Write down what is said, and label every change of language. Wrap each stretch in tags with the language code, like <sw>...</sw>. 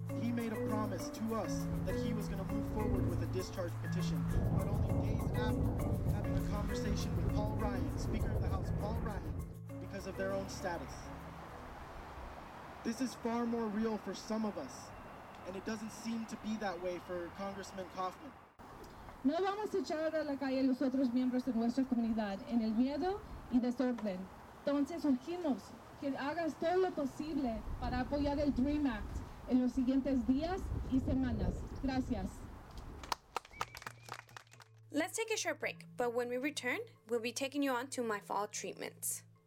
<en>He made a promise to us that he was going to move forward with a discharge petition. But only days after having a conversation with Paul Ryan, Speaker of the House, Paul Ryan, because of their own status. This is far more real for some of us, and it doesn't seem to be that way for Congressman Kaufman.</en> <es>No vamos a echar a la calle los otros miembros de nuestra comunidad en el miedo y desorden. Entonces, urgimos que hagas todo lo posible para apoyar el DREAM Act en los siguientes días y semanas. Gracias.</es> <en>Let's take a short break, but when we return, we'll be taking you on to my fall treatments.</en>